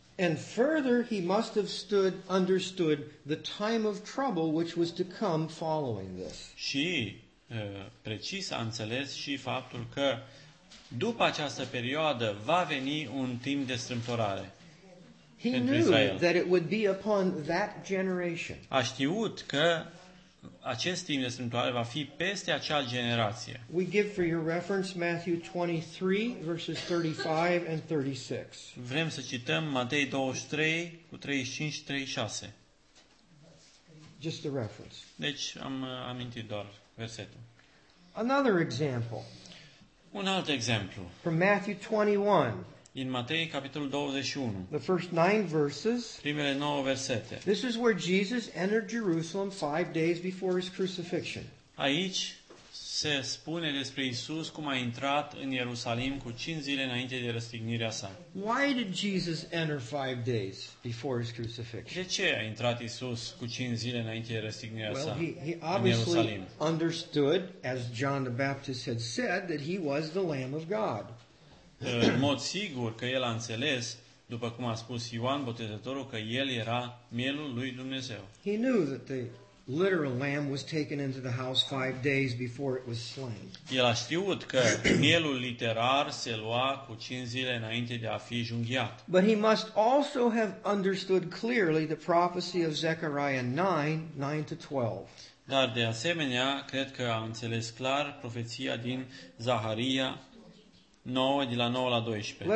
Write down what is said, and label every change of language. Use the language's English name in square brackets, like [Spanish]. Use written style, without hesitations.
[English] And further, he must have understood the time of trouble which was to come following this. [Romanian] Și precis a înțeles și faptul că după această perioadă va veni un timp de strâmtorare. [English] He knew that it would be upon that generation. [Romanian] A știut că acest timp de strâmtoare va fi peste acea generație. [English] We give for your reference Matthew 23 verses 35 and 36. [Romanian] Vrem să cităm Matei 23 cu 35 și 36. [English] Just the reference. [Romanian] Deci am amintit doar versetul. [English] Another example. [Romanian] Un alt exemplu. [English] From Matthew 21. [Romanian] In Matei capitolul 21. [English] The first 9 verses. [Romanian] Primele 9 versete. [English] This is where Jesus entered Jerusalem 5 days before his crucifixion. [Romanian] Aici se spune despre Isus cum a intrat în Ierusalim cu 5 zile înainte de răstignirea sa. [English] Why did Jesus enter 5 days before his crucifixion? [Romanian] De ce a intrat Isus cu 5 zile înainte de răstignirea sa? [English] Well, he obviously understood, as John the Baptist had said, that he was the Lamb of God. [Romanian] În mod sigur că el a înțeles, după cum a spus Ioan Botezătorul, că el era mielul lui Dumnezeu. [English] He knew that the literal lamb was taken into the house 5 days before it was slain. [Romanian] El a știut că mielul literar se lua cu 5 zile înainte de a fi junghiat. [English] But he must also have understood clearly the prophecy of Zechariah 9:9-12. [Romanian] Dar de asemenea, cred că a înțeles clar profeția din Zaharia 9, de la 9 la 12.